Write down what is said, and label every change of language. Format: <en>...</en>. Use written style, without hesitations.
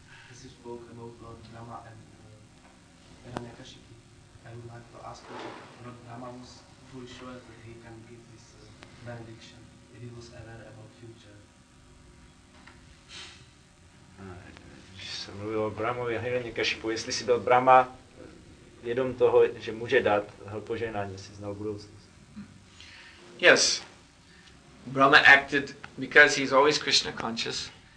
<en>This is spoken about Rama and Hiranyakashipu. I would like to ask about Rama was fully sure that he can give this benediction if he was aware about future.</en> <cs>Když jsem mluvil o Brahmovi a Hiranyakashipu, jestli si byl Brahma vědom toho, že může dát požehnání, jestli znal budoucnost.</cs> <en>Yes. Brahma acted because he's always Krishna conscious.</en>